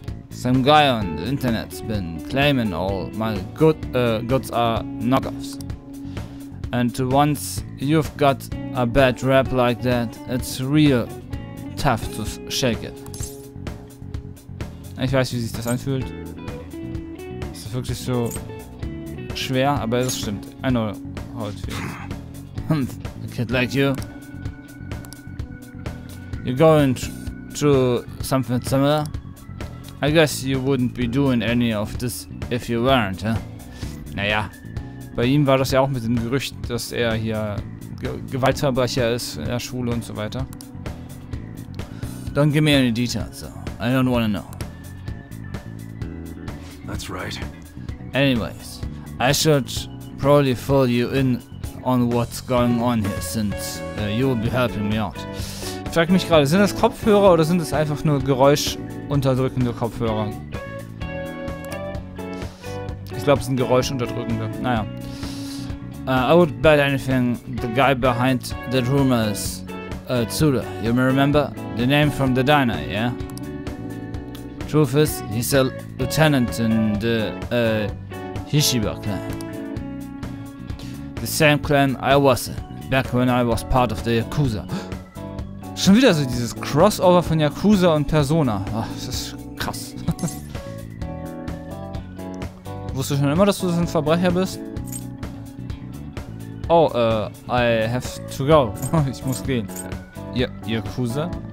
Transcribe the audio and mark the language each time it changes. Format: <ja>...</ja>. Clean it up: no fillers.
<en>Some guy on the internet's been claiming all my goods are knockoffs. And once you've got a bad rap like that, it's real tough to shake it.</en> <de>Ich weiß, wie sich das anfühlt. Es ist wirklich so schwer, aber es stimmt.</de> <en>I know how it feels. A kid like you. You're going through something similar? I guess you wouldn't be doing any of this if you weren't, huh?</en> <de>Naja, bei ihm war das ja auch mit dem Gerücht, dass er hier Gewaltverbrecher ist in der Schule und so weiter.</de> <en>Don't give me any details, though. I don't wanna know. That's right. Anyways, I should probably fill you in on what's going on here, since you will be helping me out.</en> <de>Ich frage mich gerade, sind das Kopfhörer oder sind das einfach nur geräuschunterdrückende Kopfhörer? Ich glaube, es sind geräuschunterdrückende. Naja.</de> <en>I would bet anything the guy behind that rumor is Tsuda. You may remember the name from the diner, yeah? Truth is, he's a lieutenant in the Hishiba clan. The same clan I was in, back when I was part of the Yakuza.</en> <de>Schon wieder so dieses Crossover von Yakuza und Persona. Ach, das ist krass. Wusstest du schon immer, dass du ein Verbrecher bist?</de> <en>Oh, I have to go.</en> <de>Ich muss gehen. Ja, Yakuza.</de>